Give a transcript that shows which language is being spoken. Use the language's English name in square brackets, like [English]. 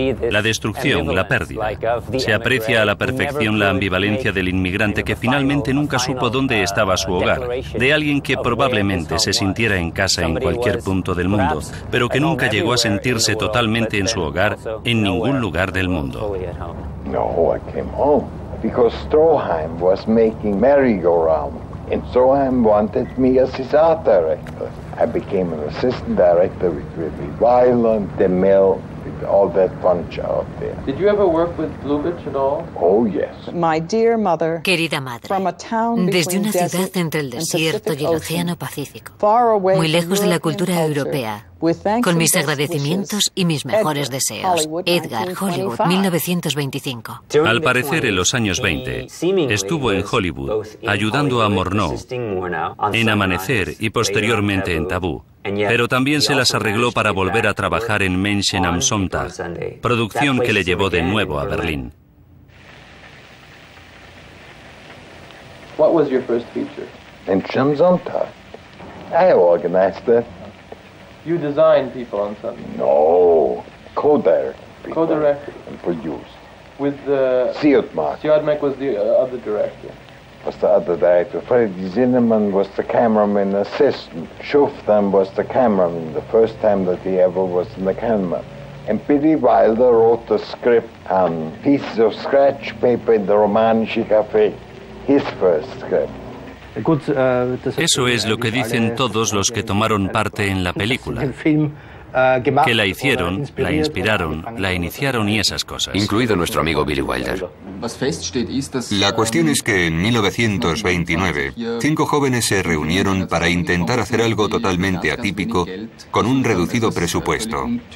[Spanish] La destrucción, la pérdida. Se aprecia a la perfección la ambivalencia del inmigrante que finalmente nunca supo dónde estaba su hogar, de alguien que probablemente se sintiera en casa en cualquier punto del mundo, pero que nunca llegó a sentirse totalmente en su hogar en ningún lugar del mundo. [English] No, I came home because Stroheim was making merry-go-round, and Stroheim wanted me as his art director. I became an assistant director with Ridley Weiland, DeMille, all that bunch out there. Did you ever work with Lubitsch at all? Oh, yes. My dear mother, [Spanish] querida madre, desde una ciudad entre el desierto y el océano Pacífico, muy lejos de la cultura europea, con mis agradecimientos y mis mejores deseos. Edgar, Hollywood, 1925. Al parecer, en los años 20, estuvo en Hollywood ayudando a Murnau en Amanecer y posteriormente en Tabú. Pero también se las arregló para volver a trabajar en Menschen am Sonntag, producción que le llevó de nuevo a Berlín. [English] What was your first feature? Menschen am Sonntag. I organized that. You design people on something? No, co-director. Co-director. And produce. With the... Siodmak. Siodmak was the other director. Was the other director. Freddy Zinnemann was the cameraman assistant. Schuftan was the cameraman, the first time that he ever was in the camera. And Billy Wilder wrote the script on pieces of scratch paper in the Romanische Café, his first script. [Spanish] Eso es lo que dicen todos los que tomaron parte en la película. que la hicieron, la inspiraron, la iniciaron y esas cosas. Incluido nuestro amigo Billy Wilder. La cuestión es que en 1929, cinco jóvenes se reunieron para intentar hacer algo totalmente atípico con un reducido presupuesto.